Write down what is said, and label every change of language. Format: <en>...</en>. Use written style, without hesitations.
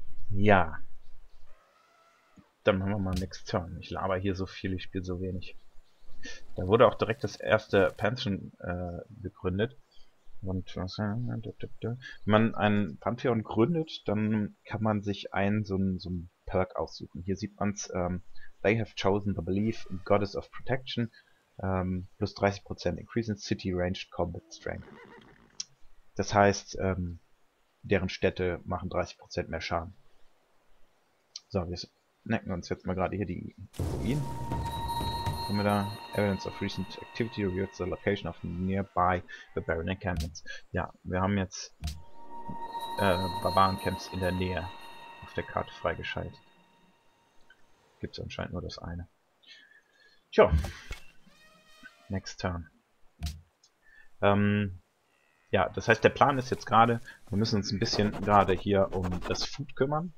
<de>Ja. Dann machen wir mal Next Turn. Ich laber hier so viel, ich spiele so wenig. Da wurde auch direkt das erste Pantheon gegründet. Und wenn man ein Pantheon gründet, dann kann man sich einen so einen Perk aussuchen. Hier sieht man es.</de> <en>They have chosen the belief in Goddess of Protection. Plus 30% Increase in City Ranged Combat Strength.</en> <de>Das heißt, deren Städte machen 30% mehr Schaden. So, wir snacken uns jetzt mal gerade hier die Ruinen. Haben wir da?</de> <en>Evidence of recent activity reveals the location of nearby barbarian encampments.</en> <de>Ja, wir haben jetzt Barbaren-Camps in der Nähe auf der Karte freigeschaltet. Gibt's anscheinend nur das eine. Tja. Next turn. Ja, das heißt, der Plan ist jetzt gerade, wir müssen uns ein bisschen gerade hier um das Food kümmern.</de>